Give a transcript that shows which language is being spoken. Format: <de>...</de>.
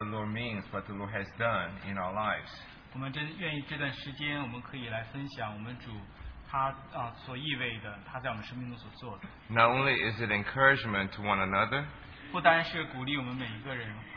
<en>means what the Lord has done in our lives.</en> <zh>我们真愿意这段时间我们可以来分享我们主他所意味的他在我们生命中所做的。</zh> <en>Not only is it encouragement to one another,</en> <zh>不单是鼓励我们每一个人,</zh>